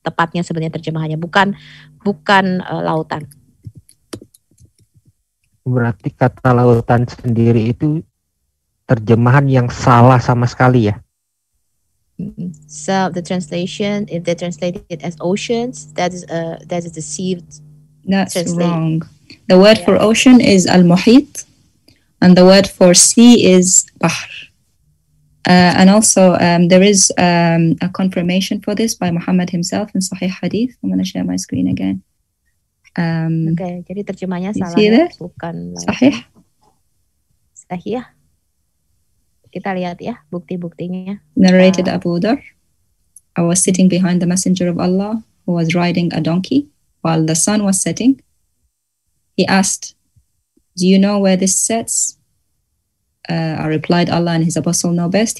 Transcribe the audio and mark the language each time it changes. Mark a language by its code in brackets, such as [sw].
[id] Tepatnya sebenarnya terjemahannya bukan lautan. Berarti kata lautan sendiri itu terjemahan yang salah sama sekali ya. [en] So the translation, if they translated it as oceans, that is deceived. That's wrong. The word for ocean is al-muhit, and the word for sea is bahr. And also, there is a confirmation for this by Muhammad himself in Sahih Hadith. I'm going to share my screen again. [id] Okay, jadi terjemahnya salah, bukan sahih. Sahih. Kita lihat ya bukti-buktinya. [en] Narrated Abu Dhar, I was sitting behind the messenger of Allah who was riding a donkey while the sun was setting. He asked, do you know where this sets? I replied, Allah and his apostle know best.